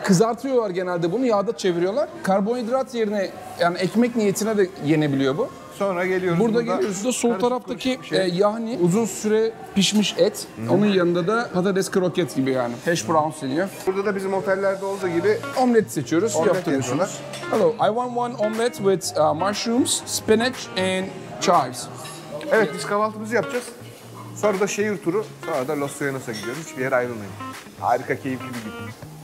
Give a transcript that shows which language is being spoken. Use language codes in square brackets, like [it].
[tr] Kızartıyorlar genelde bunu, yağda çeviriyorlar. Karbonhidrat yerine yani ekmek niyetine de yenebiliyor bu. Sonra geliyoruz burada. Geliyoruz da sol taraftaki şey. Yani uzun süre pişmiş et. Hmm. Onun yanında da patates kroket gibi yani. Hash browns deniyor. Burada da bizim otellerde olduğu gibi omlet seçiyoruz. Omlet yaptırıyorsunuz. [en] Hello, I want one omelet with mushrooms, spinach and chives. [tr] Evet, biz kahvaltımızı yapacağız. Sonra da şehir turu, sonra da Los Suyanos'a gidiyoruz. Hiçbir yere ayrılmayın. Harika, keyifli bir gidiyoruz.